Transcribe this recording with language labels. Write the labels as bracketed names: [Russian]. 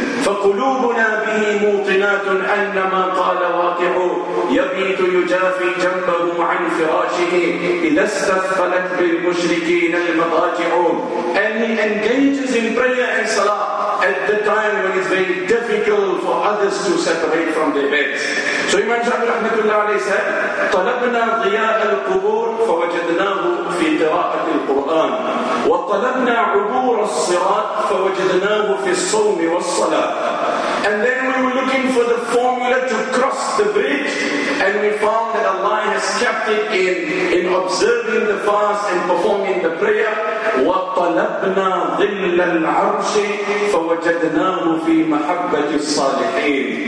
[Arabic] فَقُلُوبُنَا بِهِ مُوطِنَاتٌ أَنَّمَا قَالَ وَاقِعُ يَبِيتُ يُجَافِي جَنْبَهُ عَنْ فِرَاشِهِ إِذَا اسْتَثْقَلَتْ بِالْمُشْرِكِينَ الْمَطَاجِعُ. [English] And he engages in prayer and salah at the time when it's very difficult for others to separate from their beds. So Imam Shafi'i rahmatullah alayhi said, [Arabic] طَلَبْنَا ضِيَاءَ الْقُبُورِ فَوَجَدْنَاهُ فِي قِرَاءَةِ الْقُرْآنِ وَطَلَبْنَا عُبُورَ الصِّرَاطِ فَوَجَدْنَاهُ فِي الصَّوْمِ وَالصَّلَاةِ. [English] And then we were looking for the formula to cross the bridge, and we found that Allah has kept it in observing the fast and performing the prayer. [Arabic] وَطَلَبْنَا ظِلَّ الْعَرْشِ فَوَجَدْنَاهُ فِي مَحَبَّةِ الصَّالِحِينَ.